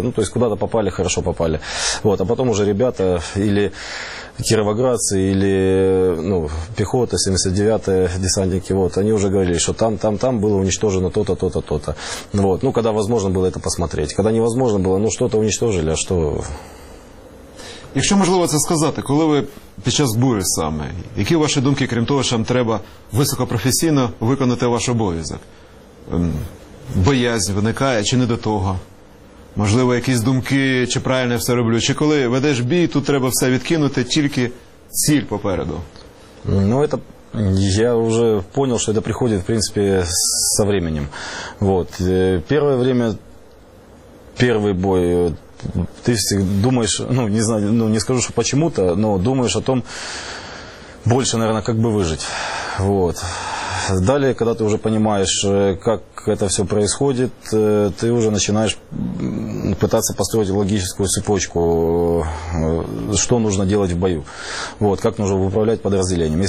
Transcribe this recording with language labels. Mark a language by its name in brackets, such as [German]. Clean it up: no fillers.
[Russian] Ну, то есть куда-то попали, хорошо попали. Вот. А потом уже ребята или кировоградцы или, ну, пехота, 79-е, десантники, вот, они уже говорили, что там было уничтожено то-то, то-то, то-то. Вот. Ну, когда возможно было это посмотреть. Когда невозможно было, ну, что-то уничтожили, а что... [Ukrainian] Якщо можливо це сказати, коли ви під час бурі саме, які ваші думки, крім того, що вам треба високопрофесійно виконати ваш обов'язок? Боязнь виникає чи не до того? Можливо, якісь думки, чи правильно я все роблю? Чи коли ведеш бій, тут треба все відкинути, тільки ціль попереду? Ну, це... [Russian] Я уже понял, [Ukrainian] що це приходить, в принципі, [Russian] со временем. [Ukrainian] Вот. Перше время, перший бой... [Russian] Ты всегда думаешь, ну, не знаю, ну, не скажу, что почему-то, но думаешь о том больше, наверное, как бы выжить. Вот. Далее, когда ты уже понимаешь, как это все происходит, ты уже начинаешь пытаться построить логическую цепочку, что нужно делать в бою, вот, как нужно управлять подразделением.